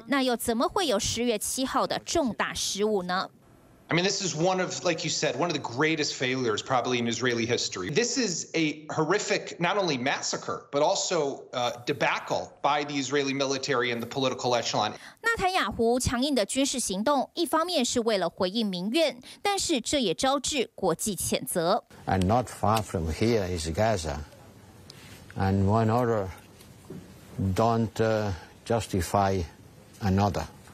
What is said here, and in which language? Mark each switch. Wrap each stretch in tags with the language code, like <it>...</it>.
<zh>以色列总理纳坦雅胡视察铁穹部队，再强调以军绝对强大到能碾压哈马斯。既然如此，那又怎么会有10月7号的重大失误呢？</zh> <en>I mean, this is one of, like you said, one of the greatest failures probably in Israeli history. This is a horrific, not only massacre, but also debacle by the Israeli military and the political echelon.</en> <zh>纳坦雅胡强硬的军事行动，一方面是为了回应民怨，但是这也招致国际谴责。</zh> <en>And not far from here is Gaza. And one order don't justify another.</en>